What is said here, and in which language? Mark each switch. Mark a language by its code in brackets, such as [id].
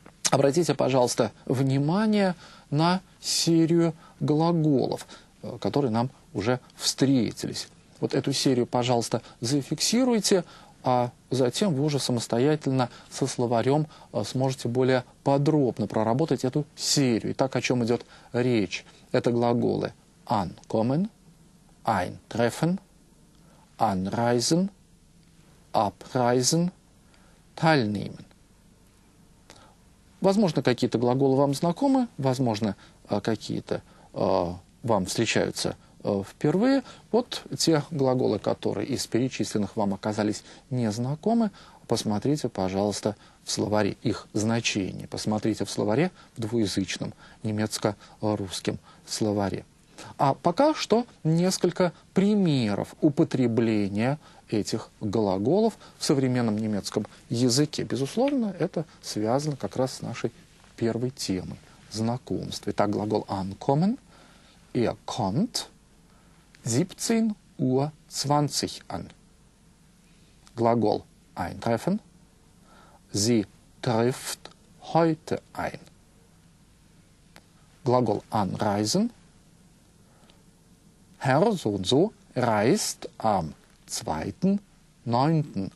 [ru] Обратите, пожалуйста, внимание на серию глаголов, которые нам уже встретились. Вот эту серию, пожалуйста, зафиксируйте, а затем вы уже самостоятельно со словарем сможете более подробно проработать эту серию. Итак, о чем идет речь? Это глаголы [de] «ankommen», «eintreffen», «anreisen», «abreisen», «teilnehmen». [ru] Возможно, какие-то глаголы вам знакомы, возможно, какие-то вам встречаются впервые. Вот те глаголы, которые из перечисленных вам оказались незнакомы, посмотрите, пожалуйста, в словаре их значение. Посмотрите в словаре в двуязычном немецко-русском словаре. А пока что несколько примеров употребления этих глаголов в современном немецком языке. Безусловно, это связано как раз с нашей первой темой – знакомство. Итак, глагол [de] «ankommen» – «er kommt» – «17 Uhr 20 an». [ru] Глагол [de] «eintreffen» – «sie trifft heute ein». [ru] Глагол [de] «anreisen» – «Herr so und so reist am 2.9.